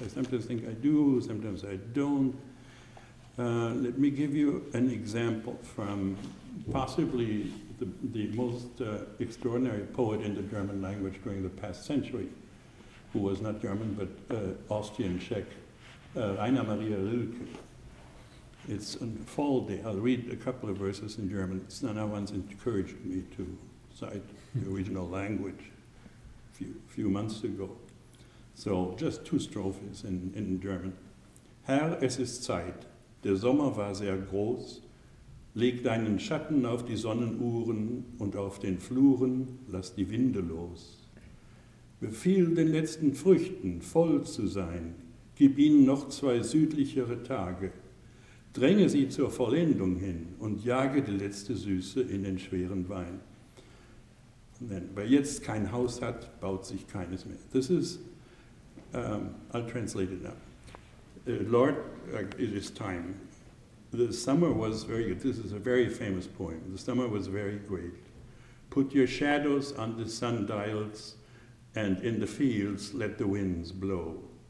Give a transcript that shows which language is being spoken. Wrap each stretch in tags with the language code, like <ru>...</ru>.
<en>I sometimes think I do, sometimes I don't. Let me give you an example from possibly the most extraordinary poet in the German language during the past century, who was not German but Austrian Czech, Rainer Maria Rilke. It's on Fall Day. I'll read a couple of verses in German. Snana once encouraged me to cite the original language a few months ago. So just two strophes in German.</en> <de>Herr, es ist Zeit. Der Sommer war sehr groß. Leg deinen Schatten auf die Sonnenuhren und auf den Fluren lass die Winde los. Befiehl den letzten Früchten voll zu sein. Gib ihnen noch zwei südlichere Tage. Dränge sie zur Vollendung hin und jage die letzte Süße in den schweren Wein. Wer jetzt kein Haus hat, baut sich keines mehr.</de> <en>This is, I'll translate it now. Lord, it is time. The summer was very good. This is a very famous poem. The summer was very great. Put your shadows on the sundials and in the fields let the winds blow.</en>